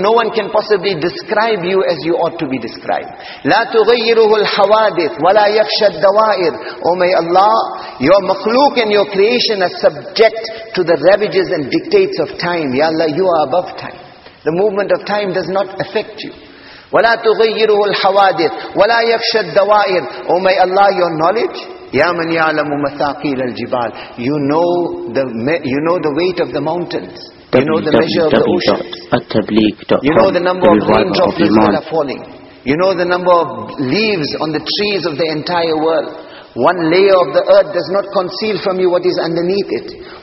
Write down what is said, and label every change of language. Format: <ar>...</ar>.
<en>No one can possibly describe you as you ought to be described.</en> <ar>لَا تُغَيِّرُهُ الْحَوَادِثُ وَلَا يَخْشَ الدَّوَائِرُ.</ar> <en>O my Allah, your makhluk and your creation are subject to the ravages and dictates of time. Ya Allah, you are above time. The movement of time does not affect you.</en> <ar>وَلَا تُغَيِّرُهُ الْحَوَادِثُ وَلَا يَخْشَ الدَّوَائِرُ.</ar> <en>O my Allah, your knowledge.</en> <ar>Ya man ya'lamu mathaqil al-jibal.</ar> <en>You know the weight of the mountains. You know the measure of the ocean. You know the number of raindrops that are falling. You know the number of leaves on the trees of the entire world. One layer of the earth does not conceal from you what is underneath it.</en>